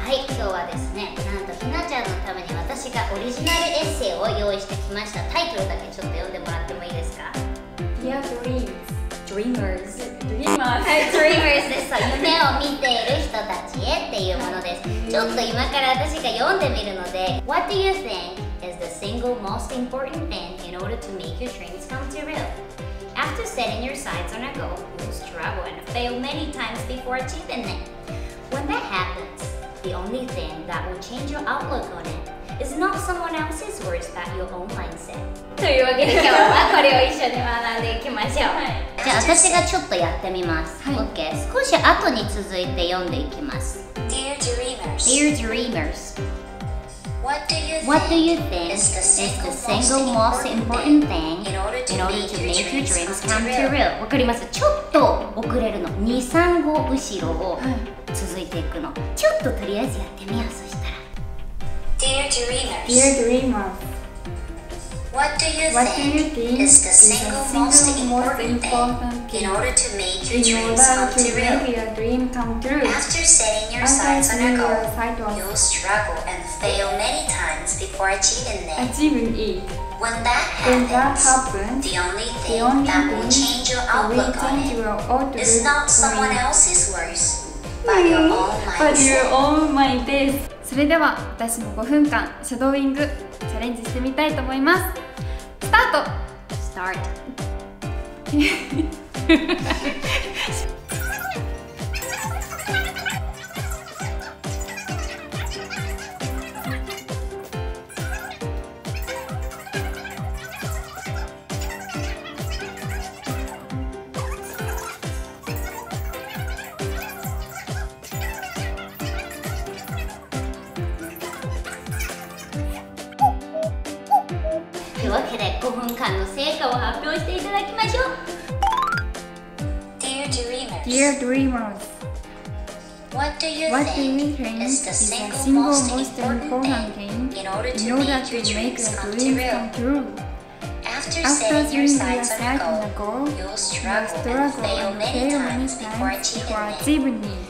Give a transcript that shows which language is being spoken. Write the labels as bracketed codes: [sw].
[ja] はい、今日はですね、なんとひなちゃんのために私がオリジナルエッセイを用意してきました。タイトルだけちょっと読んでもらってもいいですか？ [en] Dear Dreams Dreamers Dreamers、 [ja] はい、Dreamers です。夢を見ている人たちへっていうものです。ちょっと今から私が読んでみるので、 [en] What do you think is the single most important thing in order to make your dreams come to real? After setting your sights on a goal, you struggle and fail many times before achieving it. When that happens, the only thing that will change your outlook on itIt's not someone else's words, but your own mindset. [ja] というわけで、今日はこれを一緒に学んでいきましょう。じゃあ私がちょっとやってみます。はい、 [en] OK。 [ja] 少し後に続いて読んでいきます。 [en] Dear Dreamers, Dear Dreamers, What do you think, what do you think is the single, is the single most important thing in order to make your dreams come to real? [ja] わかります？ちょっと遅れるの。 2、3語後ろを続いていくの。はい、ちょっととりあえずやってみよう、そしたら。 [en] Dear Dreamers, What do you think is the single most important thing in order to make your dreams come true? After setting your sights on a goal, you'll struggle and fail many times before achieving it. When that happens, the only thing that will change your outlook on it is not someone else's words, but your own mindset. [ja] それでは私も5分間シャドーイングチャレンジしてみたいと思います。スタート。スタートわけで、5分間の成果を発表していただきましょう。 [en] Dear Dreamers, Dear Dreamers, What do you think, is the single most important thing in order to make your dreams come true? After setting your sights on a goal, you'll struggle and fail many times before achieving it.